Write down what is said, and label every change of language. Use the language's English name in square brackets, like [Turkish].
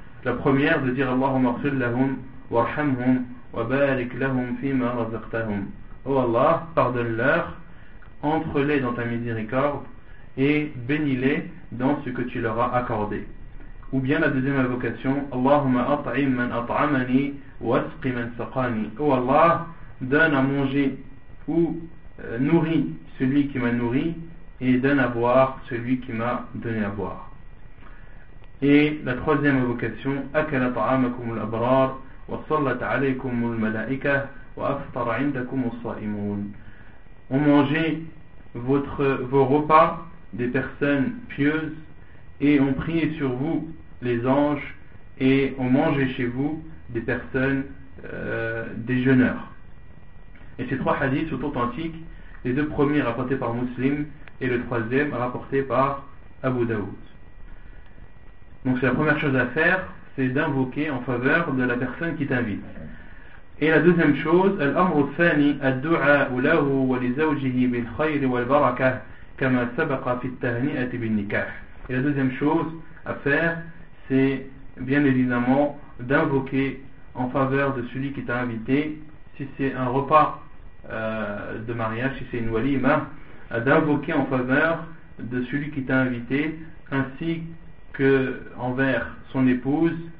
[French] La première, de dire [Arabic] Allahumma ighfir lahum warhamhum وبارك لهم فيما رزقتهم. [French] Oh Allah, pardonne-leur, entre-les dans ta miséricorde et bénis-les dans ce que tu leur as accordé. Ou bien la deuxième invocation, [Arabic] اللهم أطعم من أطعمني واسق من سقاني. [French] Oh Allah, donne à manger ou nourris celui qui m'a nourri et donne à boire celui qui m'a donné à boire. Et la troisième invocation, [Arabic] أكل طعامكم الأبرار وصلت عليكم الملائكة وأفطر عندكم الصائمون. [French] On mangeait vos repas des personnes pieuses et on priait sur vous les anges et on mangeait chez vous des personnes des jeûneurs. Et ces trois hadiths sont authentiques, les deux premiers rapportés par Muslim et le troisième rapporté par Abu Daoud. Donc c'est la première chose à faire, c'est d'invoquer en faveur de la personne qui t'invite. Et la deuxième chose, [Arabic] الأمر الثاني الدعاء له ولزوجه بالخير والبركة كما سبق في التهنئة بالنكاح. [French] Et la deuxième chose à faire, c'est bien évidemment d'invoquer en faveur de celui qui t'a invité, si c'est un repas de mariage, si c'est une walima, d'invoquer en faveur de celui qui t'a invité, ainsi que envers son épouse,